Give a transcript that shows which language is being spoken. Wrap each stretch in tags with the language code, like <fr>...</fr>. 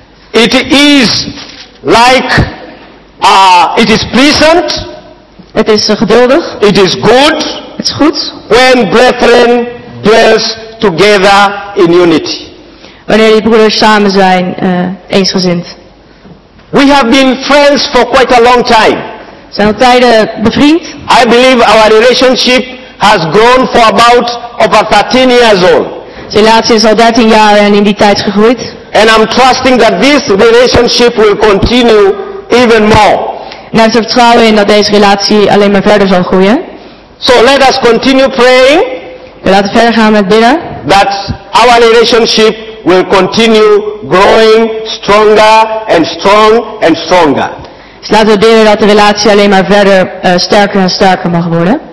<en>It is like. It is pleasant.</en> <nl>Het is geduldig.</nl> <en>It is good.</en> <nl>Het is goed.</nl> <en>When brethren dwell together in unity.</en> <nl>Wanneer die broeders samen zijn, eensgezind.</nl> <en>We have been friends for quite a long time.</en> <nl>Zijn al tijden bevriend.</nl> <en>I believe our relationship has grown for about over 13 years old.</en> <nl>De relatie is al 13 jaar en in die tijd gegroeid.</nl> <en>And I'm trusting that this relationship will continue even more.</en> <nl>En ik heb vertrouwen in dat deze relatie alleen maar verder zal groeien.</nl> <en>So let us continue praying.</en> <nl>We laten verder gaan met bidden.</nl> <en>That our relationship will continue growing stronger and stronger.</en> <nl>Dus laten we bidden dat de relatie alleen maar verder sterker en sterker mag worden.</nl>